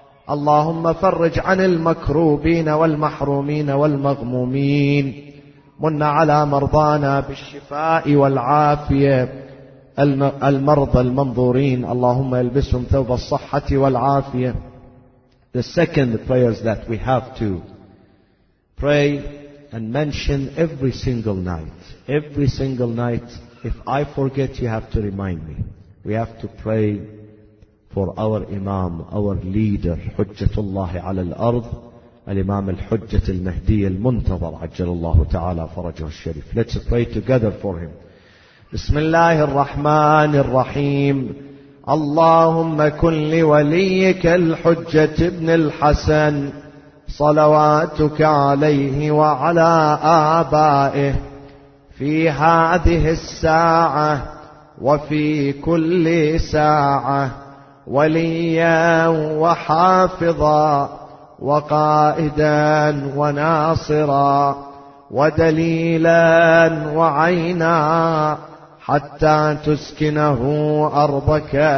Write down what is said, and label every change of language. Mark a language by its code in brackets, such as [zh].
[ar] اللهم فرج عن المكروبين والمحرومين والمغمومين من على مرضانا بالشفاء والعافية المرضى المنظورين اللهم البسهم ثوب الصحة والعافية. [en] The second prayers that we have to pray and mention every single night. Every single night, if I forget, you have to remind me. We have to pray for our Imam, our leader, Hujjatullah ala al-Ard, al-Imam al-Hujjat al-Mahdi al-Muntazar, ajjalallahu ta'ala farajahu al-Sharif. Let's pray together for him. [ar] Bismillahirrahmanirrahim. اللهم كن لوليك الحجة ابن الحسن صلواتك عليه وعلى آبائه في هذه الساعة وفي كل ساعة وليا وحافظا وقائدا وناصرا ودليلا وعينا حتى تسكنه أرضك